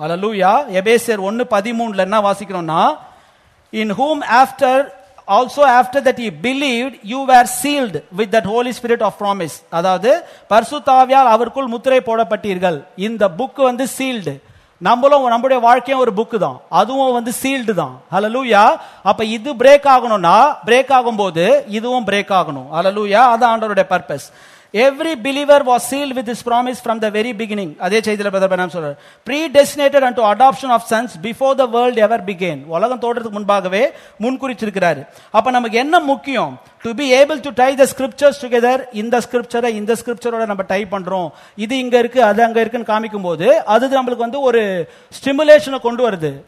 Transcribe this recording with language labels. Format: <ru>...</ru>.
<en>Hallelujah.</en> <ta>எபேசியர் 1:13 என்ன வாசிக்கணும்னா,</ta> <en>In whom after Also, after that he believed, you were sealed with that Holy Spirit of promise.</en> <ta>அதாவது பரிசுத்தாவியால் அவருக்குள் முத்திரை போடப்பட்டீர்கள். இந்த புக் வந்து sealed. நம்மளும் நம்முடைய வாழ்க்கையும் ஒரு புக்கு தான், அதுவும் வந்து சீல்டு தான். ஹல்லேலூயா. அப்ப இது பிரேக் ஆகணும்னா, பிரேக் ஆகும் போது இதுவும் பிரேக் ஆகணும். ஹல்லேலூயா. அது ஆண்டவருடைய purpose.</ta> <en>Every believer was sealed with his promise from the very beginning.</en> <ta>அதே செய்தியில பிரதர் பிரணாம் சொல்றார்,</ta> <en>predestinated unto adoption of sons before the world ever began.</en> <ta>உலகம் தோன்றதுக்கு முன்பாகவே முன்குறிச்சிருக்கிறாரு. அப்ப நமக்கு என்ன முக்கியம்,</ta> <en>to be able to tie the scriptures together.</en> <ta>இந்த ஸ்கிரிப்சரை இந்த ஸ்கிரிப்சரோட நம்ம டை பண்றோம், இது இங்க இருக்கு அது அங்க இருக்குன்னு காமிக்கும் போது அது நம்மளுக்கு வந்து ஒரு ஸ்டிமுலேஷனை கொண்டு வருது.</ta>